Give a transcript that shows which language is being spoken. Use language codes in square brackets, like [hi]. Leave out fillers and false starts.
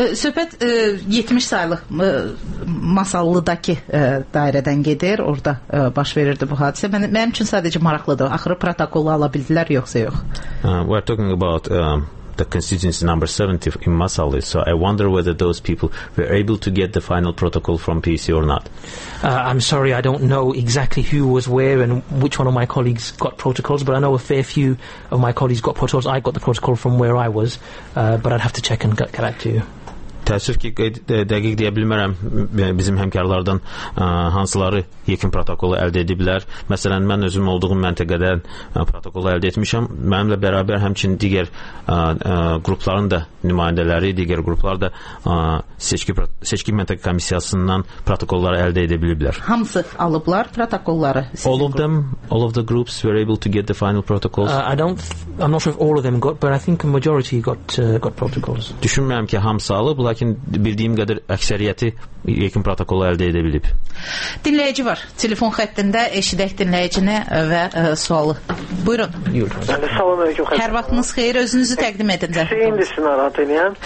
[az] Söhbət 70 saylı masallıdakı dairədən gedir. Orada baş verirdi bu hadisə. Mənim üçün sadəcə maraqlıdır. Axırı protokolu ala bildilər yoxsa yox? [en] We're talking about the constituency number 70 in Masallı. So I wonder whether those people were able to get the final protocol from PC or not. I'm sorry, I don't know exactly who was where and which one of my colleagues got protocols, but I know a fair few of my colleagues got protocols. I got the protocol from where I was, but I'd have to check and get back to you. [az] Təəssüf ki, dəqiq deyə bilmərəm bizim həmkarlardan hansıları yekun protokolu əldə ediblər. Məsələn, mən özüm olduğum məntəqədən protokolu əldə etmişəm. Mənimlə bərabər həmçinin digər qrupların da nümayəndələri, digər qruplar da seçki məntəqə komissiyasından protokolları əldə edə biliblər. Hamısı alıblar protokolları. [en] All of the groups were able to get the final protocols. I'm not sure if all of them got, but I think a majority got protocols. [az] Düşünmürəm ki, hamısı alıb. Lakin bildiyim qədər əksəriyyəti yekun protokolu əldə edə bilib. Dinləyici var. Telefon xəttində eşidək dinləyicini və sualı. Buyurun. Salam, əleyküm xeyr. Hər vaxtınız xeyir. Özünüzü təqdim edin. Şeyindir sizi narahat edəyəm.